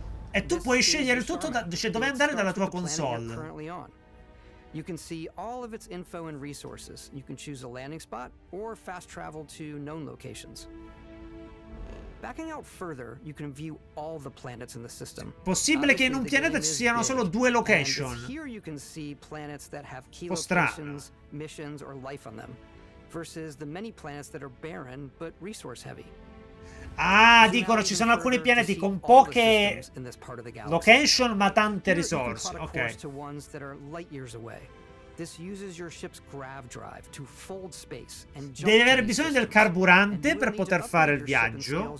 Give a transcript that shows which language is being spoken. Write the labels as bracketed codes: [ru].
[it] E tu puoi scegliere tutto, cioè dove andare dalla tua console. [en] You can see all of its info and resources. You can choose a landing spot or fast travel to known locations. Backing out further, you can view all the planets in the system. [it] Possibile che in un pianeta ci siano solo due location. [en] Here you can see planets that have key locations, missions or life on them versus the many planets that are barren but resource heavy. [it] Ah, dicono ci sono alcuni pianeti con poche location ma tante risorse. Ok. [en] To ones that are light years away. This uses your ship's grav drive to fold space and jump. [it] Devi avere bisogno del carburante per poter fare il viaggio.